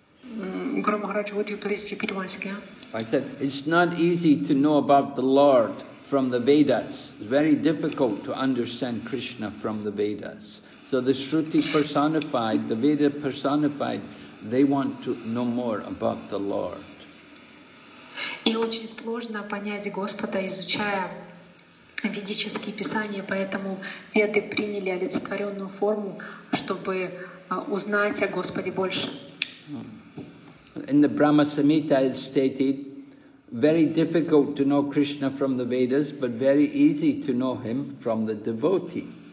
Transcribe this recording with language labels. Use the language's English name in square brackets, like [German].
[English] Guru Maharaj, would you please repeat once again? I said, it's not easy to know about the Lord from the Vedas. It's very difficult to understand Krishna from the Vedas. So the Shruti personified, the Veda personified, they want to know more about the Lord. [Russian] И очень сложно понять Господа, изучая ведические писания, поэтому Веды приняли олицетворенную форму, чтобы узнать о Господе больше. [English] In the Brahma Samhita it's stated, very difficult to know Krishna from the Vedas, but very easy to know him from the devotee.